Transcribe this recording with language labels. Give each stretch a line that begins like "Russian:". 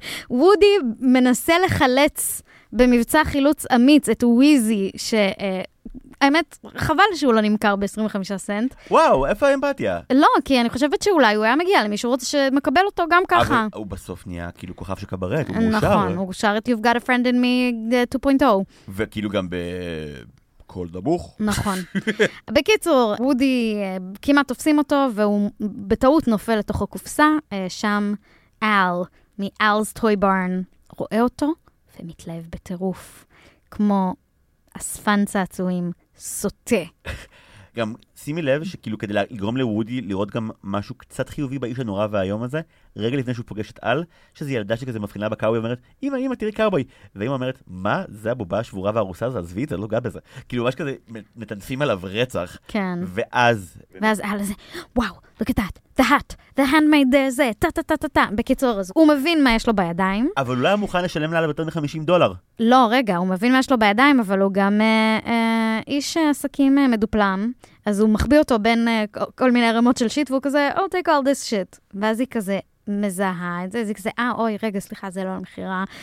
Hebrew: וודי מנסה לחלץ במבצע חילוץ אמיץ את וויזי, שהאמת, חבל שהוא לא נמכר ב-25 סנט. וואו, איפה האמפתיה? לא, כי אני חושבת שאולי הוא היה מגיע למישהו רוצה שמקבל אותו גם ככה. אבל הוא בסוף נהיה כאילו כוכב שקברט, הוא מאושר. נכון, הוא שר את You've Got a Friend in Me 2.0. וכאילו גם בקול דבוך. נכון. בקיצור, וודי כמעט תופסים אותו, והוא בטעות נופל לתוך הקופסה, שם אל, מ-אלס טוי ברן, רואה אותו. ומתלהב בטירוף, כמו אספן צעצועים סוטה. גם שימי לב שכאילו כדי לגרום לוודי לראות גם משהו קצת חיובי באיש הנורא והיום הזה, רגע לפני שהוא פוגש את אל, שזה ילדה שכזה מבחינה בקאובוי, אומרת, אמא, אמא, תראי קאובוי. ואמא אומרת, מה? זה הבובה השבורה והרוסה הזו, עזבי, זה לא גא בזה. כאילו ממש כזה מטנפים עליו רצח. כן. ואז אל הזה, וואו,
English: look at that. The hat, the handmade זה, טה-טה-טה-טה-טה.
Hebrew: בקיצור, אז הוא מבין מה יש לו בידיים. אבל הוא לא היה מוכן לשלם לה יותר מ-$50. לא, רגע, הוא מבין מה יש לו בידיים, אבל הוא גם איש עסקים מדופלם. אז הוא מחביא אותו בין כל מיני רמות של שיט, והוא כזה,
English: I'll take all this shit.
Hebrew: ואז היא כזה מזהה את זה, אז היא כזה, אוי, רגע, סליחה, זה לא למחירה.